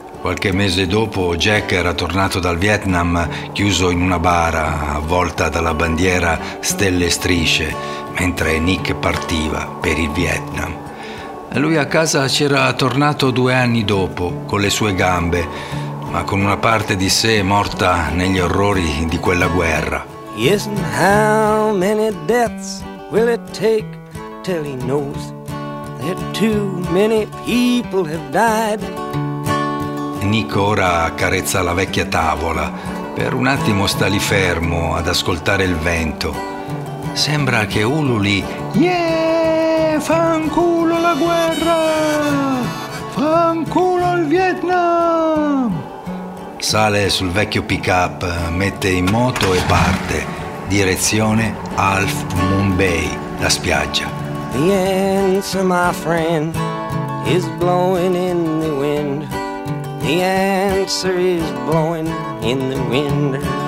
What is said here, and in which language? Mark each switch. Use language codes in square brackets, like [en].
[it] Qualche mese dopo Jack era tornato dal Vietnam chiuso in una bara avvolta dalla bandiera Stelle e Strisce mentre Nick partiva per il Vietnam. Lui a casa c'era tornato 2 anni dopo, con le sue gambe, ma con una parte di sé morta negli orrori di quella guerra. [en] Yes, and how many deaths will it take till he knows that too many people have died? [it] Nick ora accarezza la vecchia tavola, Per un attimo sta lì fermo ad ascoltare il vento. Sembra che ululi: yeah, fanculo la guerra, fanculo il Vietnam. Sale sul vecchio pick-up, mette in moto e parte, direzione Half Moon Bay, la spiaggia. [en] The answer, my friend, is blowing in the wind. The answer is blowing in the wind.